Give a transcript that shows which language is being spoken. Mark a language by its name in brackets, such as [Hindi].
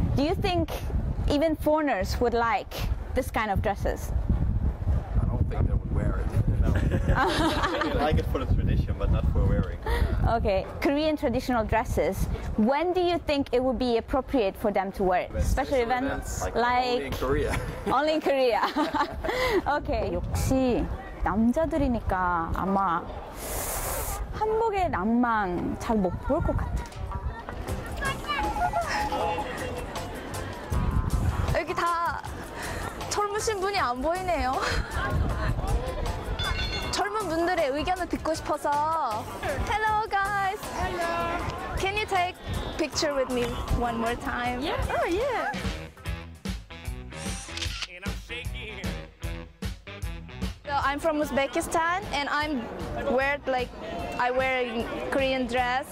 [English] Do you think even foreigners would like this kind of dresses? I don't think they would wear it. No. They like it for the tradition, but not for wearing. Okay, Korean traditional dresses. When do you think it would be appropriate for them to wear it? Special events like only in Korea. Only in Korea. Okay. [Korean] 역시 남자들이니까 아마 한복의 낭만 잘 못 볼 것 같아. 여기 다 젊으신 분이 안 보이네요. 젊은 분들의 의견을 듣고 싶어서. [English] Hello, guys. Hello. Can you take picture with me one more time? Yeah. Oh, yeah. So I'm from Uzbekistan, and I wear a Korean dress.